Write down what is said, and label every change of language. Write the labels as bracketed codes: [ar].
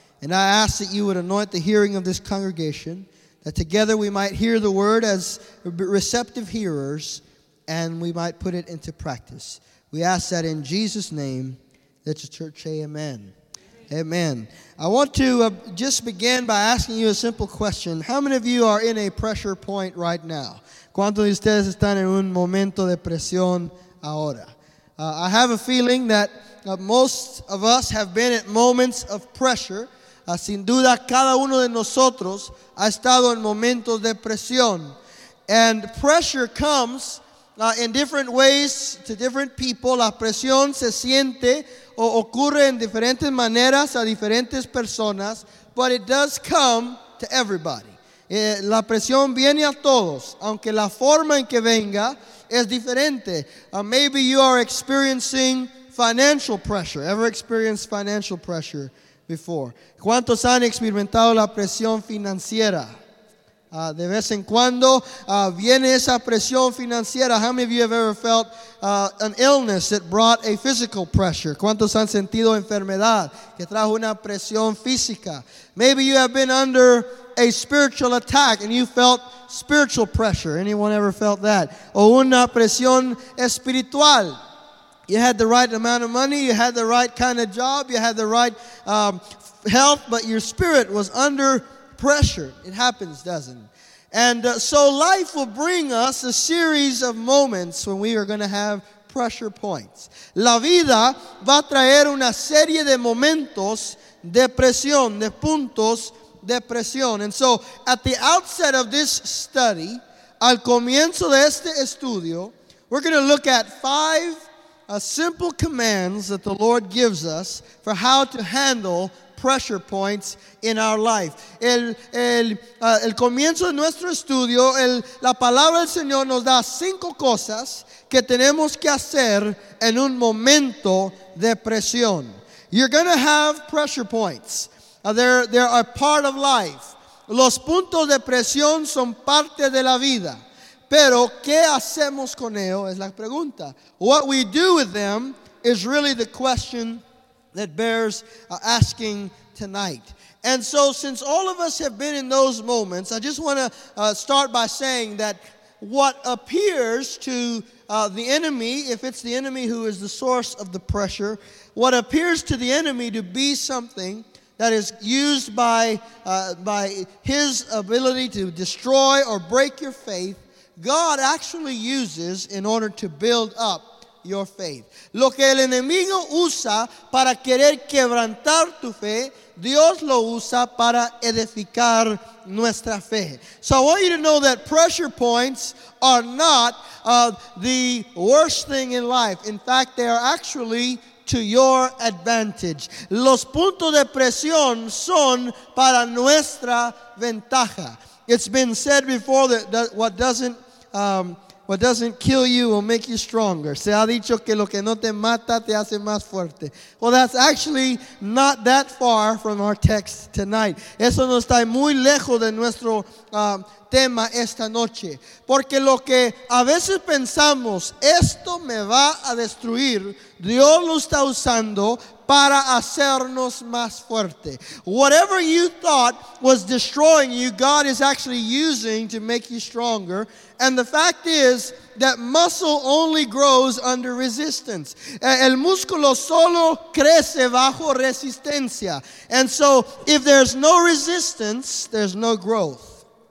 [en] And I ask that you would anoint the hearing of this congregation, that together we might hear the word as receptive hearers, and we might put it into practice. We ask that in Jesus' name, let your church say amen. Amen. I want to just begin by asking you a simple question. How many of you are in a pressure point right now? [es] ¿Cuántos de ustedes están en un momento de presión ahora? [en] I have a feeling that most of us have been at moments of pressure. [es] Sin duda, cada uno de nosotros ha estado en momentos de presión. [en] And pressure comes in different ways to different people. [es] La presión se siente ocurre en diferentes maneras a diferentes personas, [en] but it does come to everybody. [es] La presión viene a todos, aunque la forma en que venga es diferente. [en] Maybe you are experiencing financial pressure. Ever experienced financial pressure before? [es] ¿Cuántos han experimentado la presión financiera? De vez en cuando viene esa presión financiera. [en] How many of you have ever felt an illness that brought a physical pressure? [es] ¿Cuántos han sentido enfermedad que trajo una presión física? [en] Maybe you have been under a spiritual attack and you felt spiritual pressure. Anyone ever felt that? [es] O una presión espiritual. [en] You had the right amount of money, you had the right kind of job, you had the right health, but your spirit was under pressure. It happens, doesn't it? And so life will bring us a series of moments when we are going to have pressure points. [es] La vida va a traer una serie de momentos de presión, de puntos de presión. [en] And so at the outset of this study, [es] al comienzo de este estudio, [en] we're going to look at five simple commands that the Lord gives us for how to handle pressure points in our life. [es] El comienzo de nuestro estudio, la palabra del Señor nos da cinco cosas que tenemos que hacer en un momento de presión. [en] You're going to have pressure points. They're a part of life. [es] Los puntos de presión son parte de la vida. Pero, ¿qué hacemos con ello? Es la pregunta. [en] What we do with them is really the question that bears asking tonight. And so, since all of us have been in those moments, I just want to start by saying that what appears to the enemy, if it's the enemy who is the source of the pressure, what appears to the enemy to be something that is used by his ability to destroy or break your faith, God actually uses in order to build up your faith. [es] Lo que el enemigo usa para querer quebrantar tu fe, Dios lo usa para edificar nuestra fe. [en] So I want you to know that pressure points are not the worst thing in life. In fact, they are actually to your advantage. [es] Los puntos de presión son para nuestra ventaja. [en] It's been said before that what doesn't kill you will make you stronger. [es] Se ha dicho que lo que no te mata te hace más fuerte. [en] Well, that's actually not that far from our text tonight. [es] Eso no está muy lejos de nuestro tema esta noche. Porque lo que a veces pensamos, esto me va a destruir, Dios lo está usando para hacernos más fuerte. [en] Whatever you thought was destroying you, God is actually using to make you stronger. And the fact is that muscle only grows under resistance. [es] El músculo solo crece bajo resistencia. [en] And so if there's no resistance, there's no growth.